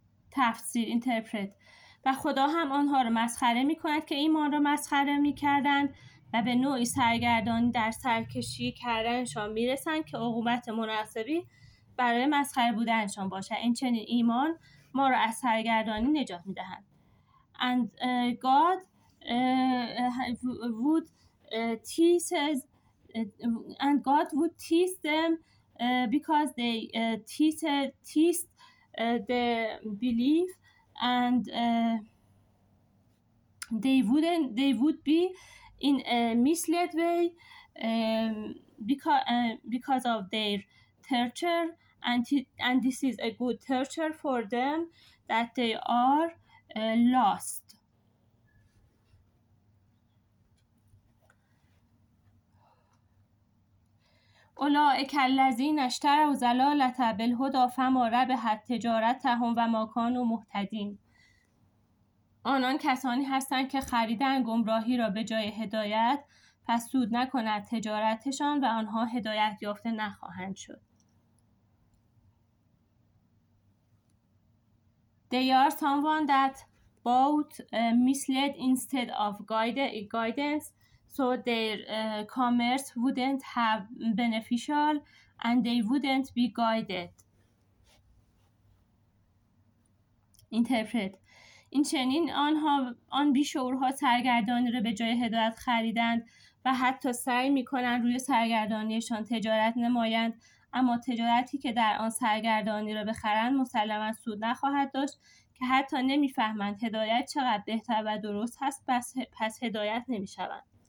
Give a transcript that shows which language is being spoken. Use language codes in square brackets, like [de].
[fa] تفسیر interpret: و خدا هم آنها را مسخره می کند که ایمان را مسخره می کردند و به نوعی سرگردانی در سرکشی کردنشان میرسند که عقوبت مناسبی برای مسخره بودنشان باشد. این چنین ایمان ما را از سرگردانی نجات میدهند. [en] And God would teases and God would tease them because they teased the belief and they would be in a misled way because of their torture, and this is a good torture for them that they are lost. [ar] اولئک الذین اشتروا ضلالة بالهدى فما ربحت تجارتهم و ما کانوا مهتدین. [fa] آنان کسانی هستند که خریدن گمراهی را به جای هدایت، پس سود نکند تجارتشان و آنها هدایت یافته نخواهند شد. [en] They are someone that bought misled instead of guidance, so their commerce wouldn't have beneficial and they wouldn't be guided. Interpret. [fa] این چنین آنها آن بیشعورها سرگردانی را به جای هدایت خریدند و حتی سعی می‌کنند روی سرگردانیشان تجارت نمایند، اما تجارتی که در آن سرگردانی را بخرند مسلماً سود نخواهد داشت، که حتی نمی‌فهمند هدایت چقدر بهتر و درست هست، پس هدایت نمی‌شوند.